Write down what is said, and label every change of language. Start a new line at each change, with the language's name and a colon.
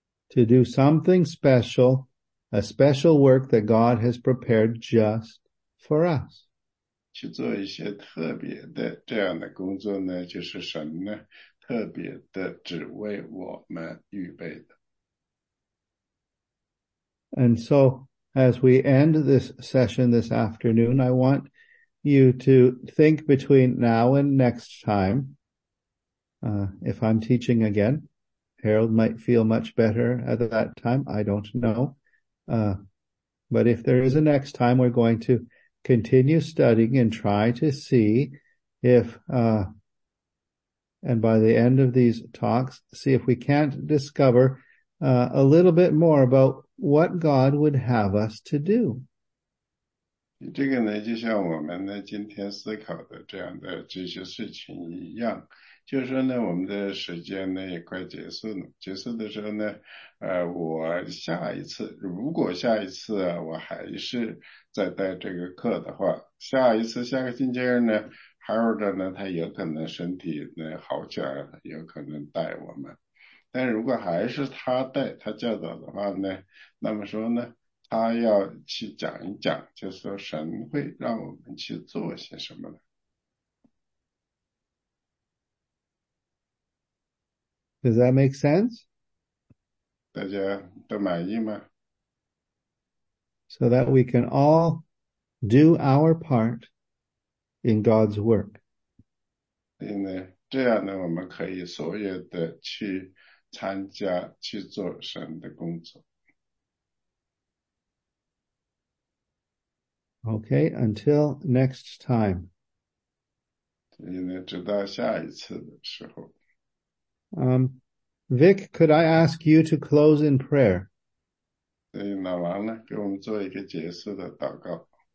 English: To do something special, a special work that God has prepared just for us.
Chinese: 去做一些特别的这样的工作呢，就是神呢特别的只为我们预备的。
English: And so, as we end this session this afternoon, I want you to think between now and next time, if I'm teaching again. Harold might feel much better at that time, I don't know. But if there is a next time, we're going to continue studying and try to see if, and by the end of these talks, see if we can't discover a little bit more about what God would have us to do.
Chinese: 这个呢，就像我们呢今天思考的这样的这些事情一样，就是说呢，我们的时间呢也快结束了。结束的时候呢，我下一次，如果下一次啊，我还是在带这个课的话，下一次下个星期二呢 ，Harold 呢，他有可能身体呢好起来了，有可能带我们。但如果还是他带他教导的话呢，那么说呢，他要去讲一讲，就是说神会让我们去做些什么呢？
English: Does that make sense?
Chinese: 大家都满意吗？
English: So that we can all do our part in God's work.
Chinese: 所以呢，这样呢，我们可以所有的去参加，去做神的工作。
English: Okay, until next time.
Chinese: 所以呢，直到下一次的时候。
English: Vic, could I ask you to close in prayer?
Chinese: 对，老王呢，给我们做一个结束的祷告。